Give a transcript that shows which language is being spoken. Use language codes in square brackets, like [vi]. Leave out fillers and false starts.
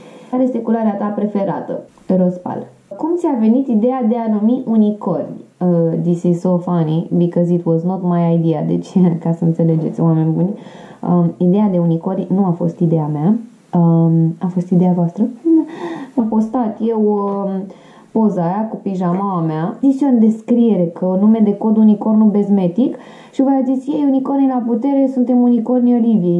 [ro] Care este culoarea ta preferată? Rospal. Cum ți-a venit ideea de a numi unicorn? [en] This is so funny because it was not my idea. [ro] Deci, ca să înțelegeți, oameni buni, ideea de unicorn nu a fost ideea mea. A fost ideea voastră. Am postat eu poza aia cu pijamaua mea. Zis eu în descriere că nume de cod unicornul bezmetic și voi a zis, ei, unicornii la putere, suntem unicornii Oliviei.